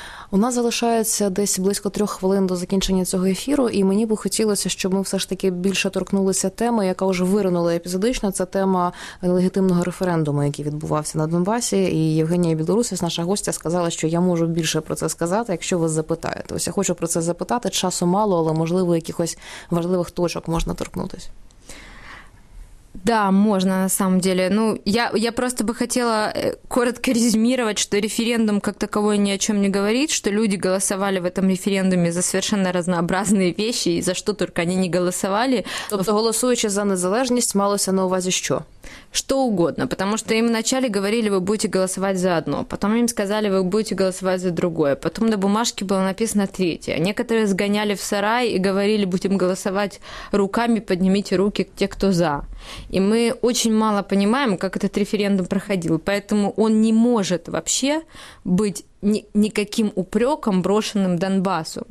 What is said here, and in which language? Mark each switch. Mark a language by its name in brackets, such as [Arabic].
[Ukrainian] У нас залишається десь близько 3 хвилин до закінчення цього ефіру, і мені би хотілося, щоб ми все ж таки більше торкнулися теми, яка вже виринула епізодично, це тема легітимного референдуму, який відбувався на Донбасі, і Євгенія Білорусів, наша гостя, сказала, що я можу більше про це сказати, якщо вас запитаєте. Ось я хочу про це запитати, часу мало, але, можливо, якихось важливих точок можна торкнутися. [Russian] Да, можно на самом деле. Ну, я просто бы хотела коротко резюмировать, что референдум как таковой ни о чем не говорит, что люди голосовали в этом референдуме за совершенно разнообразные вещи, и за что только они не голосовали. [Ukrainian] Тобто, голосуючи за незалежність, малося на увазі що? [Russian] Что угодно, потому что им вначале говорили, вы будете голосовать за одно, потом им сказали, вы будете голосовать за другое, потом на бумажке было написано третье. Некоторые сгоняли в сарай и говорили, будем голосовать руками, поднимите руки те, кто за. И мы очень мало понимаем, как этот референдум проходил, поэтому он не может вообще быть никаким упреком, брошенным Донбассу.